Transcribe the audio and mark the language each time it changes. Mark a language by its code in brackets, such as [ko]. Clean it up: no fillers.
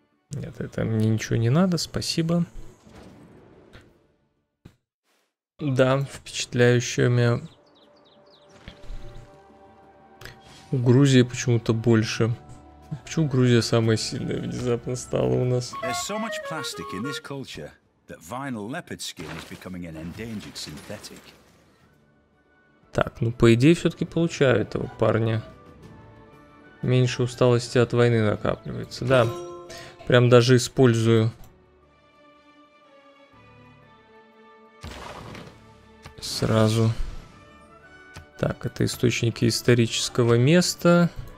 [ru] Нет, это мне ничего не надо, спасибо. Да, впечатляющее у меня. У Грузии почему-то больше. Почему Грузия самая сильная внезапно стала у нас? [en] There's so much plastic in this culture that vinyl leopard skin is becoming an endangered synthetic. [ru] Так, ну по идее все-таки получаю этого парня. Меньше усталости от войны накапливается. Да, прям даже использую. Сразу. Так, это источники исторического места.